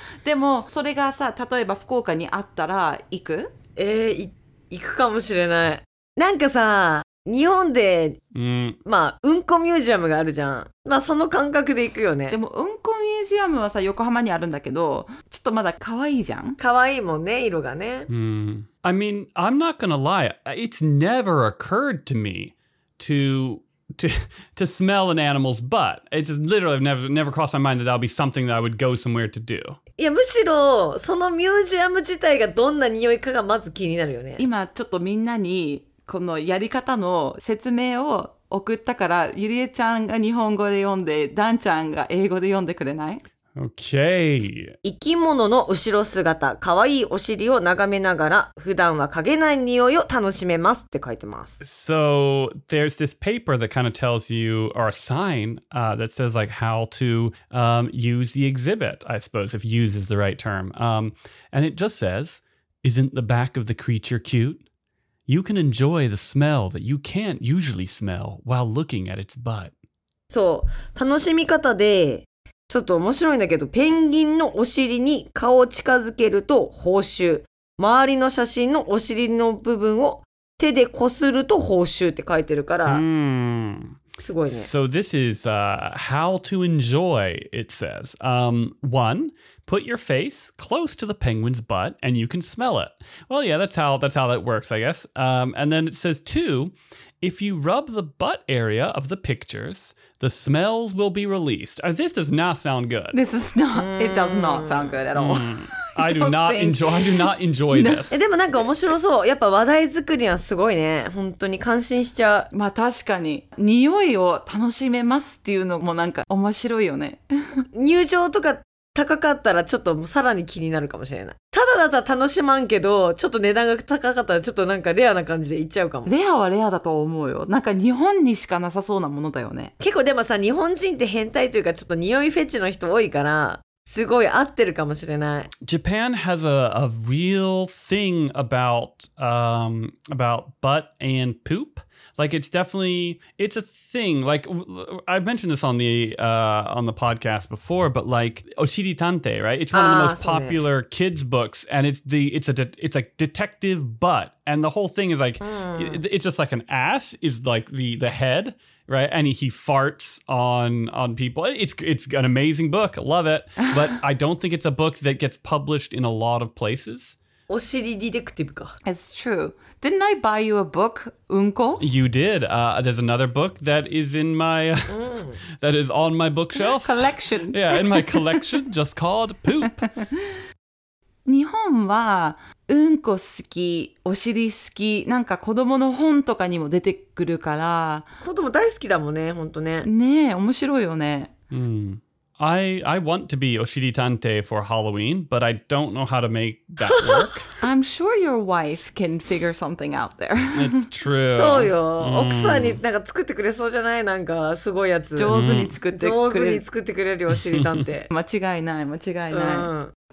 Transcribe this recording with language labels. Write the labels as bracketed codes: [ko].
[ja] でも、それがさ、例えば福岡にあったら、行く？行くかもしれない。なんかさ、日本で、まあ、うんこミュージアムがあるじゃん。まあ、その感覚で行くよね。でも、うんこミュージアムはさ、横浜にあるんだけど、ちょっとまだ可愛いじゃん。可愛いもんね、色がね。 [en] I mean, I'm not gonna lie. It's never occurred to me to smell an animal's butt. It just literally never crossed my mind that would be something that I would go somewhere to do. [ja] いや、むしろ、そのミュージアム自体がどんな匂いかがまず気になるよね。今、ちょっとみんなに、このやり方の説明を送ったから、ゆりえちゃんが日本語で読んで、ダンちゃんが英語で読んでくれない [en] ？Okay. [ja] 生き物の後ろ姿、可愛いお尻を眺めながら、普段は嗅げない匂いを楽しめますって書いてます。 [en] So, there's this paper that kind of tells you, or a sign, that says like how to use the exhibit, I suppose, if use is the right term. And it just says, isn't the back of the creature cute? You can enjoy the smell that you can't usually smell while looking at its butt. [ja] そう、楽しみ方でちょっと面白いんだけど、ペンギンのお尻に顔を近づけると報酬、周りの写真のお尻の部分を手でこすると報酬って書いてるから、すごいね。 [en] So this is how to enjoy, it says. One,Put your face close to the penguin's butt and you can smell it. Well, yeah, that's how that works, I guess. And then it says, two, if you rub the butt area of the pictures, the smells will be released. This does not sound good. This is not, it does not sound good at all. I do not enjoy this. [ja] でもなんか面白そう。やっぱ話題作りはすごいね。本当に感心しちゃう。まあ確かに。匂いを楽しめますっていうのもなんか面白いよね。入場とか高かったらちょっとさらに気になるかもしれない。ただだったら楽しまんけど、ちょっと値段が高かったらちょっとなんかレアな感じで行っちゃうかも。レアはレアだと思うよ。なんか日本にしかなさそうなものだよね。結構でもさ、日本人って変態というかちょっと匂いフェチの人多いから、すごい合ってるかもしれない。 [en] Japan has a real thing about butt and poop. Like it's definitely, it's a thing. Like I've mentioned this on the podcast before, but like Oshiri Tante, right? It's one of the most popular kids books, and it's a detective butt. And the whole thing is like, it's just like an ass is like the head, right? And he farts on people. It's an amazing book. I love it. But I don't think it's a book that gets published in a lot of places. Oshiri Detective. It's true. Didn't I buy you a book, Unko? You did. There's another book that is in my, that is on my bookshelf. Collection. Yeah, in my collection, just called Poop. [ja] 日本はうんこ好き、お尻好き、なんか子供の本とかにも出てくるから。子供大好きだもんね、ほんとね。ねえ、面白いよね。 [en] I want to be Oshiri Tante for Halloween, but I don't know how to make that work. I'm sure your wife can figure something out there. It's true. [ja] そうよ。奥さんになんか作ってくれそうじゃない？なんかすごいやつ。上手に作ってくれる。上手に作ってくれるよ、Oshiri Tante。間違いない、間違いない。